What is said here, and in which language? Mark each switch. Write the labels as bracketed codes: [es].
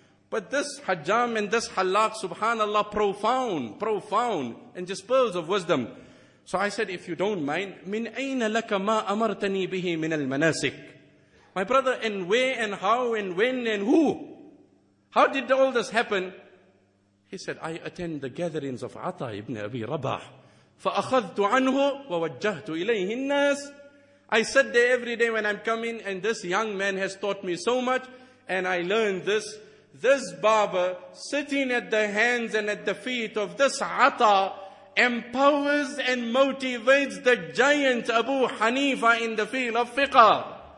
[en] But this hajjam and this halak, subhanallah, profound, and just pearls of wisdom. So I said, if you don't mind, [ar] min ayna laka ma amartani bihi min al manasik. [en] My brother, and where and how and when and who? How did all this happen? He said, I attend the gatherings of Ata ibn Abi Rabah. [ar] فأخذت عنه ووجهت إليه الناس. [en] I sit there every day when I'm coming, and this young man has taught me so much, and I learned this. This barber sitting at the hands and at the feet of this Ata empowers and motivates the giant Abu Hanifa in the field of fiqh.